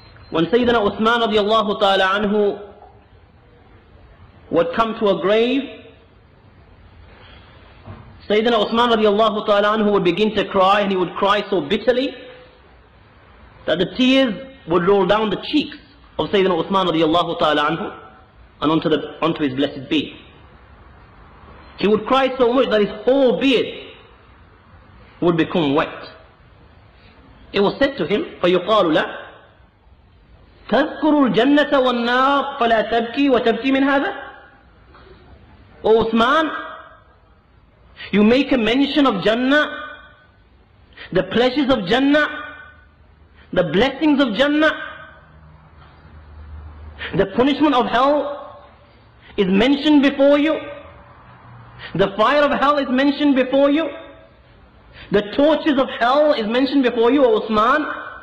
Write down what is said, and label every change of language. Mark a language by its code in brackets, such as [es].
[en] When Sayyidina Uthman radiallahu ta'ala anhu would come to a grave, Sayyidina Uthman radiallahu ta'ala anhu would begin to cry, and he would cry so bitterly that the tears would roll down the cheeks of Sayyidina Uthman radiallahu ta'ala anhu and onto his blessed beard. He would cry so much that his whole beard would become wet. It was said to him, [ar] فَيُقَالُ لَا تذكر الجنة والنار فلا تبكي وتبكي من هذا. [en] O Uthman, you make a mention of Jannah, the pleasures of Jannah, the blessings of Jannah, the punishment of hell is mentioned before you, the fire of hell is mentioned before you, the tortures of hell is mentioned before you, O Uthman.